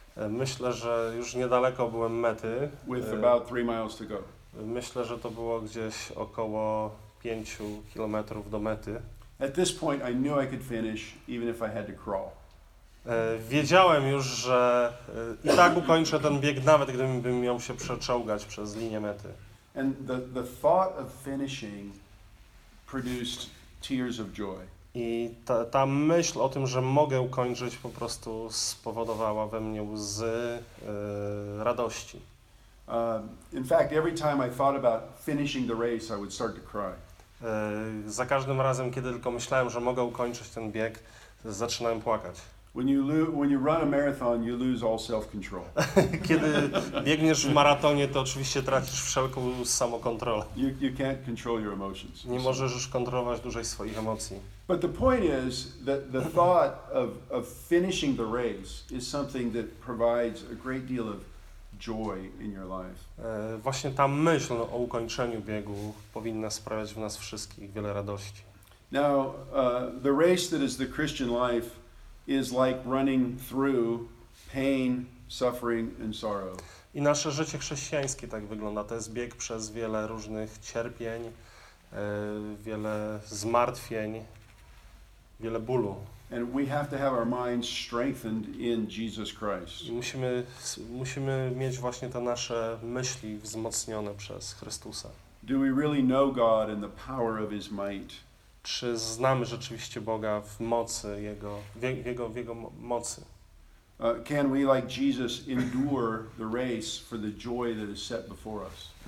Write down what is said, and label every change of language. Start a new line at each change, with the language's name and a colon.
Polish: Myślę, że już niedaleko byłem mety.
English: With about 3 miles to go.
Polish: Myślę, że to było gdzieś około 5 kilometrów do mety.
English: At this point I knew I could finish even if I had to crawl.
Polish: Wiedziałem już, że i tak ukończę ten bieg, nawet gdybym miał się przeczołgać przez linię mety.
English: And the thought of finishing produced tears of joy.
Polish: I ta myśl o tym, że mogę ukończyć, po prostu spowodowała we mnie łzy radości.
English: In fact, every time I thought about finishing the race, I would start to cry.
Polish: Za każdym razem, kiedy tylko myślałem, że mogę ukończyć ten bieg, zaczynałem płakać.
English: When you run a marathon, you lose all self-control.
Polish: Kiedy biegniesz w maratonie, to oczywiście tracisz wszelką samokontrolę.
English: You can't control your emotions.
Polish: Nie możesz już kontrolować dużej swoich emocji.
English: But the point is that the thought of finishing the race is something that provides a great deal of joy in your life.
Polish: Właśnie ta myśl o ukończeniu biegu powinna sprawiać w nas wszystkich wiele radości.
English: Now, the race that is the Christian life is like running through pain, suffering and sorrow.
Polish: I nasze życie chrześcijańskie tak wygląda. To jest bieg przez wiele różnych cierpień, wiele zmartwień, wiele bólu.
English: And we have to have our minds strengthened in Jesus Christ.
Polish: Musimy mieć właśnie te nasze myśli wzmocnione przez Chrystusa.
English: Do we really know God and the power of his might?
Polish: Czy znamy rzeczywiście Boga w mocy jego mocy?
English: Can we like Jesus endure the race for the joy that is set before us?